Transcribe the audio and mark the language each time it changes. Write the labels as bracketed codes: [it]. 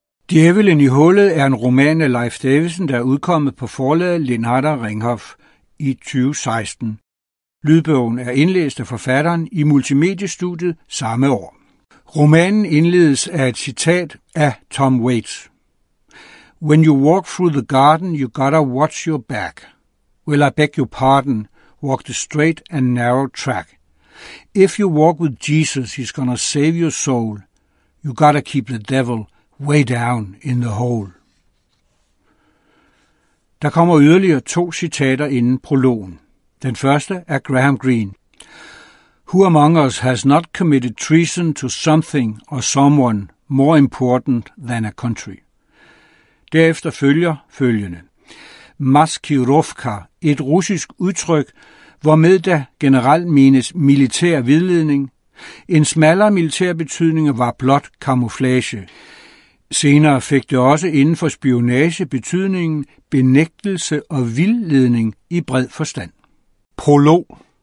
[da] Djævelen i hullet er en roman af Leif Davidsen, der er udkommet på forlaget Lindhardt og Ringhof i 2016. Lydbogen er indlæst af forfatteren i multimediestudiet samme år. Romanen indledes af et citat af Tom Waits. [en] When you walk through the garden, you gotta watch your back. Well, I beg your pardon, walk the straight and narrow track. If you walk with Jesus, he's gonna save your soul. You gotta keep the devil way down in the hole. [da] Der kommer yderligere to citater inden prologen. Den første er Graham Greene. [en] Who among us has not committed treason to something or someone more important than a country? [da] Derefter følger følgende. Maskirovka, et russisk udtryk, hvormed der generelt menes militær vidledning. En smallere militær betydning var blot camouflage. Senere fik det også inden for spionage betydningen benægtelse og vildledning i bred forstand. Prolog.